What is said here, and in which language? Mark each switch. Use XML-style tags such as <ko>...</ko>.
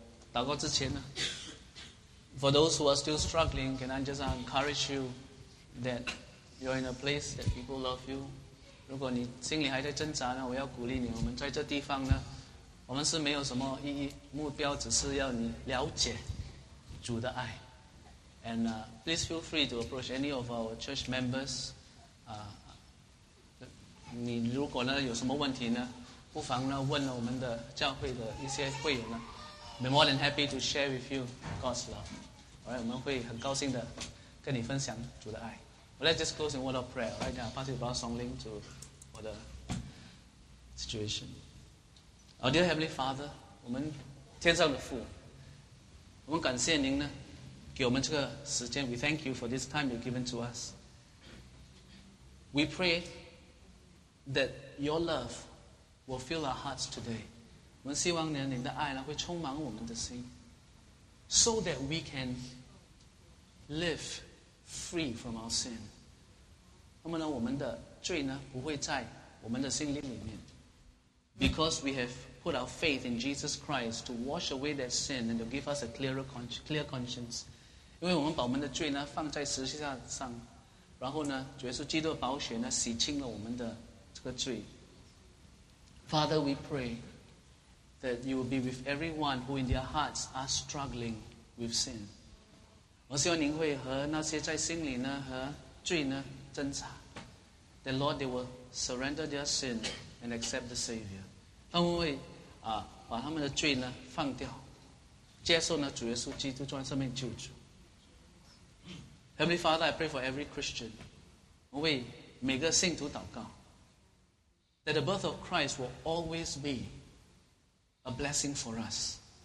<en>For those who are still struggling, can I just encourage you that you're in a place that people love you?</en> <zh>如果你心里还在挣扎呢，我要鼓励你，我们在这地方呢，我们是没有什么意义，目标只是要你了解主的爱。</zh> <en>And please feel free to approach any of our church members.</en> <zh>你如果呢有什么问题呢，不妨呢问我们的教会的一些会员呢。</zh> <en>Be more than happy to share with you God's love.</en> <zh>Alright, 我们会很高兴的跟你分享主的爱.</zh> <en>Well, let's just close in word of prayer. Alright, now pass it to Song Ling to for the situation. Our dear Heavenly Father,</en> <zh>我们天上的父，我们感谢您呢，给我们这个时间.</zh> <en>We thank you for this time you've given to us. We pray that your love will fill our hearts today.</en> <zh>我们希望您的爱呢会充满我们的心,</zh> <en>so that we can live free from our sin.</en> <zh>那么呢, 我们的罪呢, 不会再我们的心灵里面,</zh> <en>because we have put our faith in Jesus Christ to wash away that sin and to give us a clear conscience.</en> <zh>因为我们把我们的罪呢放在十字架上, 然后呢, 主耶稣基督的宝血呢, 洗清了我们的这个罪。</zh> <en>Father, we pray that you will be with everyone who in their hearts are struggling with sin.</en> <zh>我希望您会和那些在心里呢和罪呢挣扎,</zh> <en>that Lord, they will surrender their sin and accept the Savior.</en> <zh>他们会把他们的罪呢放掉，接受呢主耶稣基督作为生命救主。</zh> <en>Heavenly Father, I pray for every Christian.</en> <zh>我为每个信徒祷告,</zh> <en>that the birth of Christ will always be a blessing for us.</en>